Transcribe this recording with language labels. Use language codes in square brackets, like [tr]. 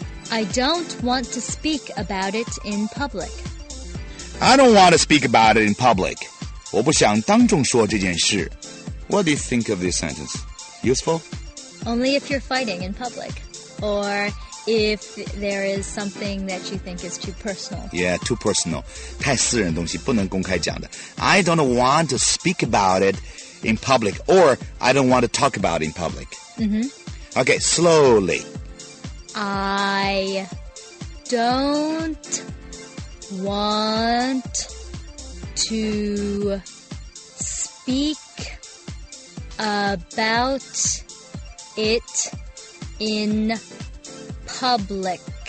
[en] I don't want to speak about it in public. I don't want to speak about it in public. [zh] 我不想当众说这件事。 [en] What do you think of this sentence? Useful? Only if you're fighting in public, or if there is something that you think is too personal. Yeah, too personal. [zh] 太私人的东西不能公开讲的。 [en] I don't want to speak about it in public, or I don't want to talk about it in public. Mm-hmm. Okay, slowly. I don't want to speak about it in public.